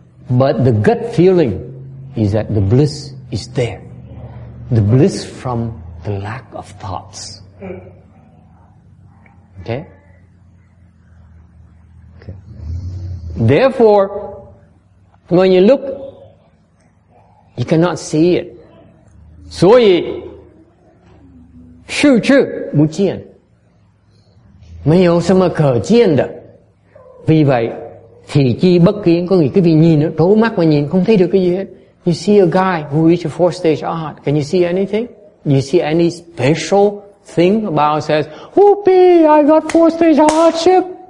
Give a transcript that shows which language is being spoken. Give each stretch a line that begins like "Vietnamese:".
English: But the gut feeling is that the bliss is there. The bliss from the lack of thoughts. Okay? Okay. Therefore, when you look, you cannot see it.
Chinese: 所以, 视之不见, 没有什么可见的.
Vietnamese: Vì vậy, thì chi bất kiến, có nghĩa cái vị nhìn nó trố mắt mà nhìn không thấy được cái gì hết.
English: You see a guy who reached a fourth stage arhat, can you see anything? You see any special thing about says, whoopee, I got fourth stage arhatship?